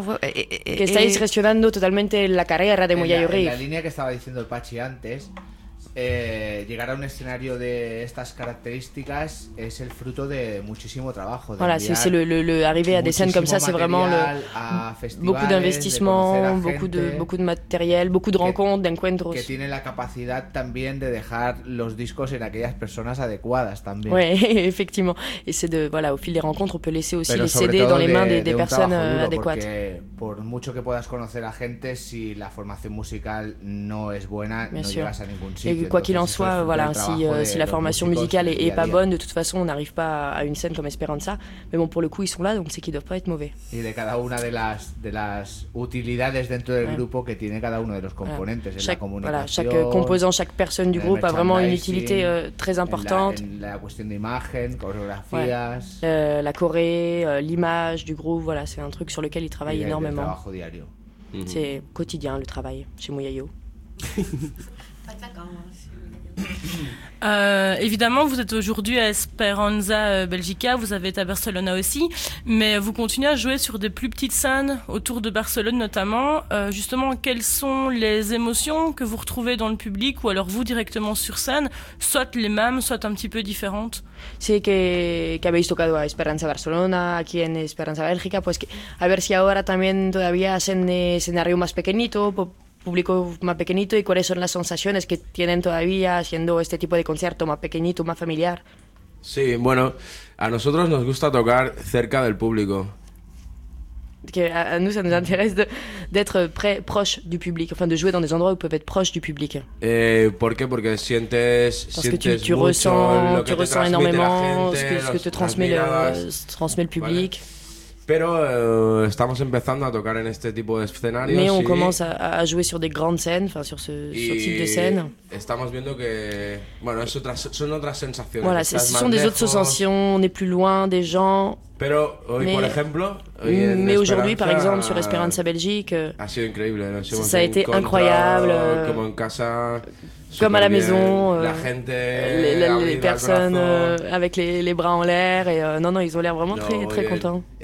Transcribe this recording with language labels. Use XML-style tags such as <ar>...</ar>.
<es>Que estáis gestionando totalmente la carrera de Mouya Yorif. En la línea que estaba diciendo el Pachi antes, llegar a un escenario de estas características es el fruto de muchísimo trabajo.</es> <fr>Voilà, c'est le arriver à des scènes comme ça, c'est vraiment beaucoup d'investissements, beaucoup de matériel, beaucoup de rencontres, d'encuentros.</fr> <es>Que tiene la capacidad también de dejar los discos en aquellas personas adecuadas también.</es> <fr>Ouais, effectivement. Et c'est de, voilà, au fil des rencontres, on peut laisser aussi les CD dans les mains des personnes adéquates.</fr> <es>Porque por mucho que puedas conocer a gente, si la formación musical no es buena, no llegas a ningún sitio.</es> <fr>Et quoi qu'il en soit, voilà, si la formation musicale n'est pas bonne, de toute façon, on n'arrive pas à une scène comme Esperanza. Mais bon, pour le coup, ils sont là, donc c'est qu'ils ne doivent pas être mauvais.</fr> <es>Et de cada una de las utilidades dentro del grupo que tiene cada uno de los componentes, en la comunicación.</es> <fr>Voilà, chaque composant, chaque personne du groupe a vraiment une utilité très importante. La question d'imagen, coreografías. La choré, l'image du groupe, voilà, c'est un truc sur lequel ils travaillent énormément. C'est quotidien, le travail, chez Mouyayo. Évidemment, vous êtes aujourd'hui à Esperanza Belgica, vous avez été à Barcelone aussi, mais vous continuez à jouer sur des plus petites scènes autour de Barcelone notamment. Justement, quelles sont les émotions que vous retrouvez dans le public ou alors vous directement sur scène, soit les mêmes, soit un petit peu différentes?</fr> <es>Sí, que habéis tocado a Esperanza Barcelona, aquí en Esperanza Belgica, pues que, a ver si ahora también todavía hacen escenario más pequeñito, público más pequeñito, y cuáles son las sensaciones que tienen todavía haciendo este tipo de concierto más pequeñito, más familiar. Sí, bueno, a nosotros nos gusta tocar cerca del público. Que a nosotros nos interesa</es> <fr>d'être proche du public, enfin de jouer dans des endroits où peuvent être proches du public.</fr> <es>¿Por qué? Porque sientes mucho,</es> <fr>tu ressens énormément ce que te transmet le public. Vale.</fr> <es>Pero estamos empezando a tocar en este tipo de escenarios.</es> <fr>Mais on commence à jouer sur des grandes scènes, enfin sur ce type de scène.</fr> <es>Estamos viendo que, bueno, son otras sensaciones.</es> <fr>Voilà, ce sont des autres sensations, on est plus loin des gens.</fr> <es>Pero hoy,</es> <fr>mais,</fr> <es>por ejemplo, hoy</es> <fr>mais aujourd'hui, par exemple, sur Esperanza Belgique,</fr> <es>ha sido increíble, nos hemos</es> <fr>ça a été incroyable.</fr> <es>Como en casa,</es> <fr>comme à la maison,</fr> <es>la gente,</es> <fr>les personnes avec les bras en l'air, et non, ils ont l'air vraiment très contents.</fr>